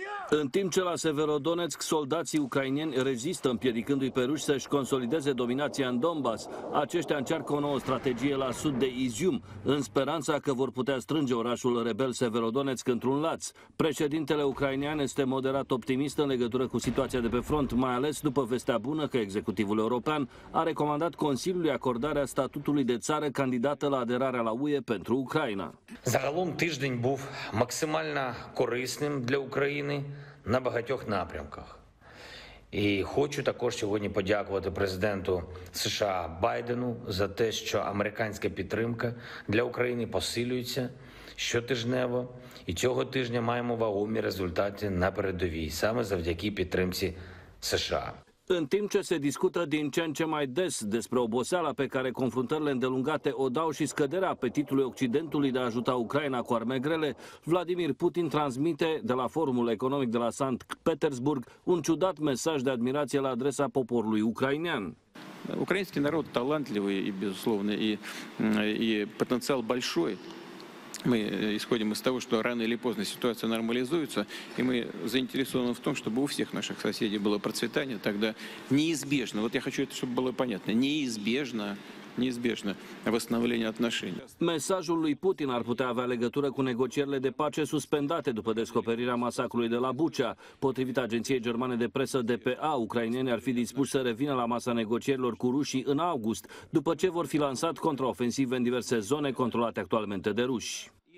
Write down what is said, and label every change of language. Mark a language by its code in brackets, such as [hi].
[ro] În timp ce la Severodonetsk soldații ucraineni rezistă împiedicându-i pe ruși să-și consolideze dominația în Donbas, aceștia încearcă o nouă strategie la sud de Izium, în speranța că vor putea strânge orașul rebel Severodonetsk într-un laț. Președintele ucrainean este moderat optimist în legătură cu situația de pe front, mai ales după vestea bună că executivul european a recomandat Consiliului acordarea statutului de țară candidată la aderarea la UE pentru Ucraina. [uk] Загалом тиждень був максимально корисним для України на багатьох напрямках. І хочу також сьогодні подякувати президенту США Байдену за те, що американська підтримка для України посилюється щотижнево. І цього тижня маємо вагомі результати на передовій, саме завдяки підтримці США. [ro] În timp ce se discută din ce în ce mai des despre oboseala pe care confruntările îndelungate o dau și scăderea apetitului Occidentului de a ajuta Ucraina cu arme grele, Vladimir Putin transmite de la Forumul Economic de la Sankt Petersburg un ciudat mesaj de admirație la adresa poporului ucrainean. [ru] Ucrainski narod talentlivy i bezuslovny i potential bolshoy. Мы исходим из того, что рано или поздно ситуация нормализуется, и мы заинтересованы в том, чтобы у всех наших соседей было процветание, тогда неизбежно, вот я хочу это, чтобы было понятно, неизбежно восстановление отношений. [ro] Mesajul lui Putin ar putea avea legătură cu negocierile de pace suspendate după descoperirea masacrului de la Bucha. Potrivit agenției germane de presă DPA, ucrainenii ar fi dispuși să revină la masa negocierilor cu rușii în august, după ce vor fi lansat contraofensive în diverse zone controlate actualmente de ruși.